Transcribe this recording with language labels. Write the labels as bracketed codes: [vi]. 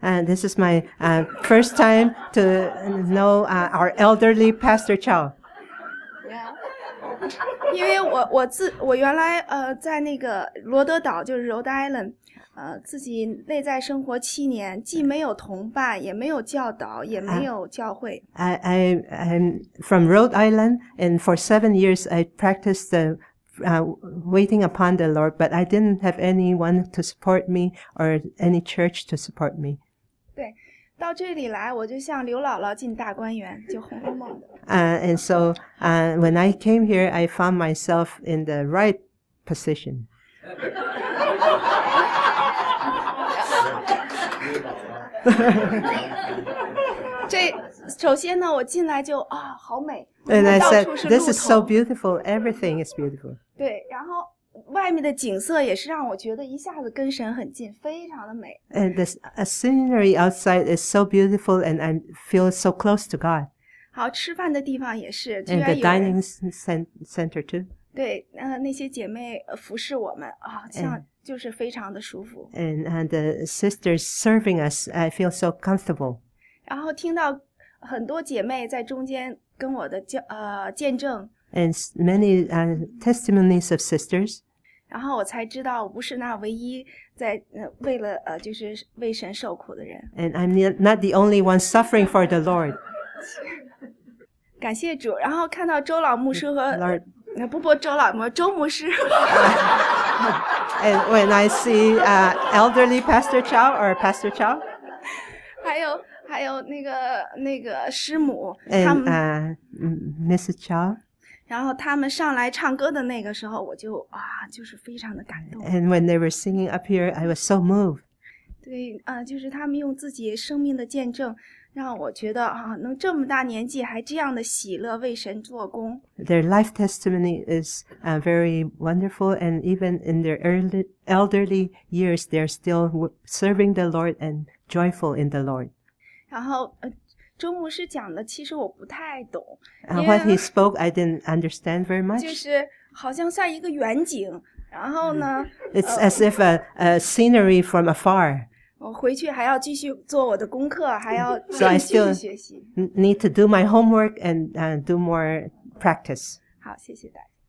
[en] And this is my first time to know our elderly Pastor Chow. [zh] Yeah. 因为我原来在那个罗德岛，就是 Rhode Island。自己内在生活七年，既没有同伴，也没有教导，也没有教会。 [en] I'm from Rhode Island, and for 7 years I practiced waiting upon the Lord, but I didn't have anyone to support me or any church to support me. [zh] 对，到这里来，我就像刘姥姥进大观园，就《红楼梦》的。 [en] And so, when I came here, I found myself in the right position. [zh] 这首先呢，我进来就啊，好美。 [en] And I said, "This is so beautiful. Everything is beautiful." [zh] 对，然后外面的景色也是让我觉得一下子跟神很近，非常的美。 [en] And the scenery outside is so beautiful, and I feel so close to God. [zh] 好，吃饭的地方也是。 [en] And the dining center too. [zh] 对，那些姐妹服侍我们啊，像。就是非常的舒服。 [en] And the sisters serving us, I feel so comfortable. [zh] 然后听到很多姐妹在中间跟我的见证。 [en] And many testimonies of sisters. [zh] 然后我才知道不是那唯一在为了就是为神受苦的人。 [en] And I'm not the only one suffering for the Lord. [zh] 感谢主。然后看到周老牧师和 [en] Lord. [zh] 周老牧周牧师。 [en] And when I see elderly Pastor Chow or Pastor Chow, [zh] 还有那个师母 [en] and, [zh] 他们 [en] Mrs. Chow, [zh] 然后他们上来唱歌的那个时候，我就就是非常的感动。 [en] And when they were singing up here, I was so moved. [zh] 对，就是他们用自己生命的见证，让我觉得能这么大年纪还这样的喜乐为神做工。 [en] Their life testimony is very wonderful, and even in their elderly years, they're still serving the Lord and joyful in the Lord. [zh] 然后周牧师讲的其实我不太懂。 [en] What he spoke, I didn't understand very much. [zh] 就是好像算一个远景，然后呢。 [en] It's as if a scenery from afar. [zh] 我回去还要继续做我的功课，还要继续学习。 [en] So I still need to do my homework and do more practice. [zh] 好，谢谢大家。